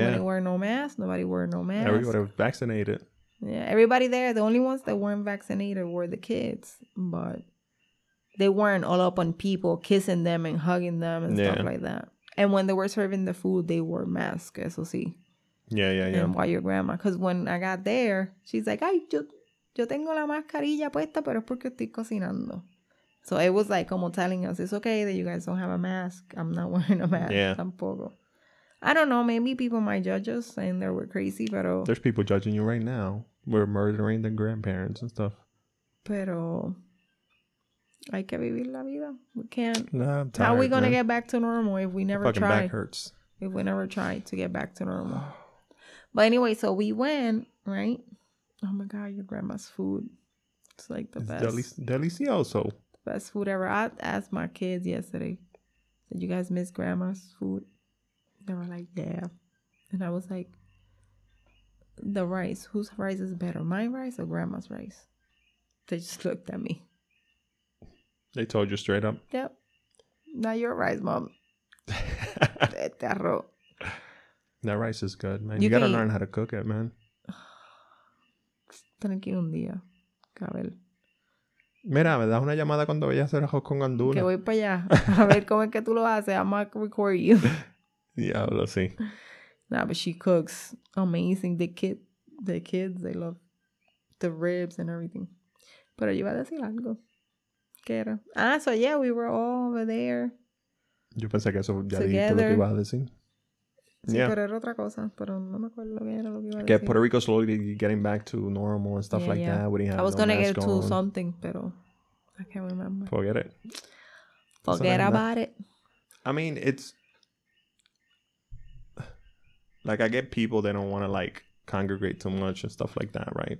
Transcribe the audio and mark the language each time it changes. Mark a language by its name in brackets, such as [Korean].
[English] Nobody wore no mask. Nobody wore no mask. Everybody was vaccinated. Yeah, everybody there, the only ones that weren't vaccinated were the kids. But they weren't all up on people kissing them and hugging them and stuff like that. And when they were serving the food, they wore masks, so see. Yeah, yeah, yeah. And why your grandma? [Spanish] Because when I got there, she's like, ay, yo tengo la mascarilla puesta, pero es porque estoy cocinando. [English] So it was like como telling us, it's okay that you guys don't have a mask. I'm not wearing a mask tampoco. I don't know. Maybe people might judge us saying that we're crazy, but... There's people judging you right now. We're murdering the grandparents and stuff. [Spanish] Pero... Hay que vivir la vida. We can't. [English] Nah, I'm tired. How are we going to get back to normal if we never try? Back hurts. If we never try to get back to normal. But anyway, so we went, right? Oh my God, your grandma's food. It's like the best. [Spanish] Delicioso. [English] Best food ever. I asked my kids yesterday, did you guys miss grandma's food? They were like, yeah. And I was like, the rice. Whose rice is better? My rice or grandma's rice? They just looked at me. They told you straight up? Yep. Not your rice, mom. That rice is good, man. You gotta learn how to cook it, man. [Spanish] Tranquilo un día, Gabriel. Mira, me das una llamada cuando vayas a hacer arroz con gandules. Que voy para allá. A ver cómo es que tú lo haces. [English] I'm gonna record you. Yeah, we'll see. Nah, but she cooks amazing. The kids, they love the ribs and everything. [Spanish] Pero yo iba a decir algo. ¿Qué era? Ah, so yeah, we were all over there. Yo pensé que eso ya dijiste lo que iba a decir. Sí, yeah. Pero era otra cosa. Pero no me acuerdo lo que era lo que iba a que decir. [English] Puerto Rico slowly getting back to normal and stuff that. We didn't have I was no gonna get going to something, pero I can't remember. Forget it. Forget about it. I mean, it's... Like, I get people, they don't want to, like, congregate too much and stuff like that, right?